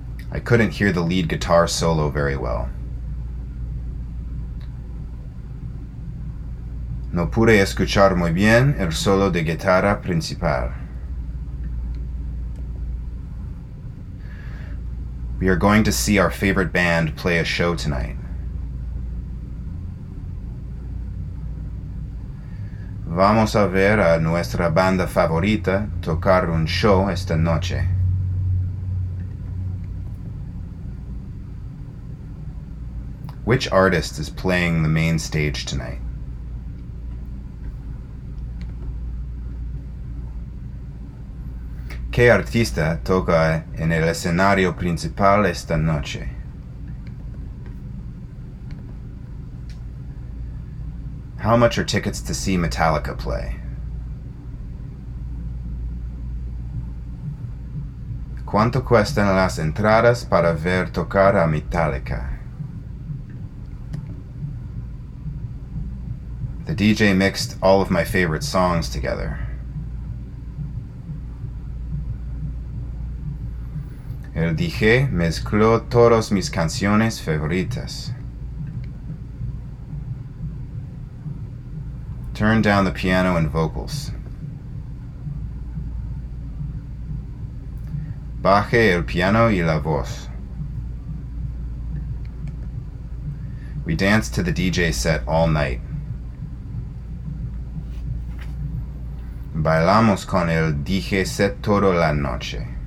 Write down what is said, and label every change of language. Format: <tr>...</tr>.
<en>I couldn't hear the lead guitar solo very well.</en> <es>No pude escuchar muy bien el solo de guitarra principal.</es> <en>We are going to see our favorite band play a show tonight.</en> <es>Vamos a ver a nuestra banda favorita tocar un show esta noche.</es> <en>Which artist is playing the main stage tonight?</en> <es>¿Qué artista toca en el escenario principal esta noche?</es> <en>How much are tickets to see Metallica play?</en> <es>¿Cuánto cuestan las entradas para ver tocar a Metallica?</es> <en>The DJ mixed all of my favorite songs together.</en> <es>El DJ mezcló todas mis canciones favoritas.</es> <en>Turn down the piano and vocals.</en> <es>Baje el piano y la voz.</es> <en>We danced to the DJ set all night.</en> <es>Bailamos con el DJ set toda la noche.</es>